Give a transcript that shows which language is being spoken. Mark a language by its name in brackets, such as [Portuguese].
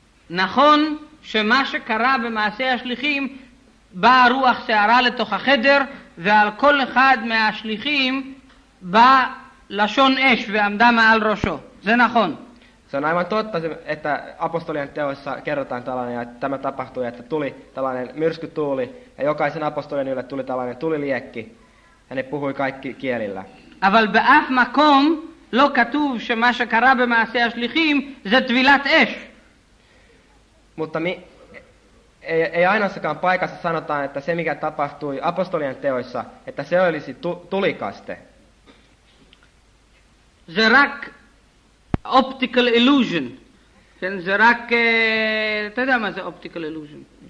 [Hebrew] נכון שמה שקרה במעשה השליחים באה רוח שערה לתוך החדר ועל כל אחד מהשליחים באה לשון אש ועמדה מעל ראשו. זה נכון. [Finnish] Se on aivan totta, että apostolien teoissa kerrotaan tällainen, ja tämä tapahtui, että tuli tällainen myrskytuuli, ja jokaisen apostolien ylle tuli tällainen tuliliekki, ja ne puhui kaikki kielillä. [Hebrew] אבל באף מקום לא כתוב שמה שקרה במעשה השליחים זה טבילת אש. [Finnish] Mutta ei ainoassakaan paikassa sanotaan, että se mikä tapahtui apostolien teoissa, että se olisi tulikaste. [Hebrew] זה רק [English] optical illusion. [Hebrew] כן, זה רק, אתה יודע מה זה optical illusion.